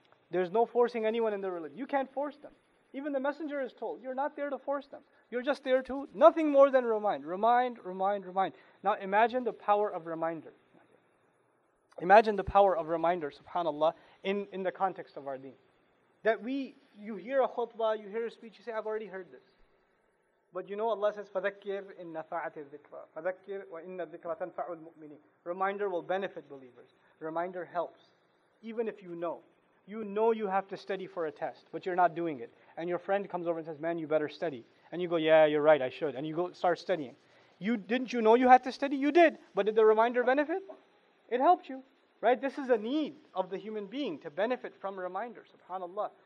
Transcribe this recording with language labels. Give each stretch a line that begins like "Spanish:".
English: There's no forcing anyone in the religion. You can't force them. Even the messenger is told, you're not there to force them. You're just there to, nothing more than remind. Remind, remind, remind. Now imagine the power of reminder. Imagine the power of reminder, subhanAllah, in the context of our deen. That we, you hear a khutbah, you hear a speech, you say, I've already heard this. But you know Allah says,
Arabic: فَذَكِّرْ إِنَّ فَعَتِ الذِّكْرَ فَذَكِّرْ وَإِنَّ الذِّكْرَ تَنْفَعُ الْمُؤْمِنِينَ.
English: Reminder will benefit believers. Reminder helps. Even if you know. You know you have to study for a test, but you're not doing it. And your friend comes over and says, man, you better study. And you go, yeah, you're right, I should. And you go start studying. You didn't you know you had to study? You did. But did the reminder benefit? It helped you. Right? This is a need of the human being to benefit from reminder. SubhanAllah.